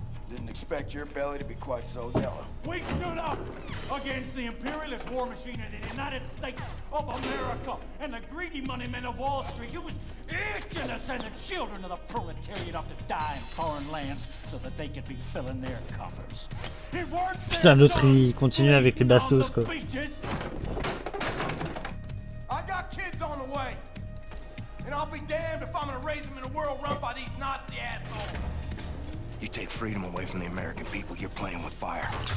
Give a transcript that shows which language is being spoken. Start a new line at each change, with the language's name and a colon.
English: Didn't expect your belly to be quite so yellow. We stood up against the imperialist war machine of the United States of America and the greedy money men of Wall Street. It was itching to send the children of the proletariat off to die in foreign lands so that they could be filling their coffers. It worked.
French: Putain, l'autre il continue avec les bastos, quoi.
English: I got kids on the way, and I'll be damned if I'm gonna raise them in a world run by these Nazi assholes. You take freedom away from the American people, you're playing with fire.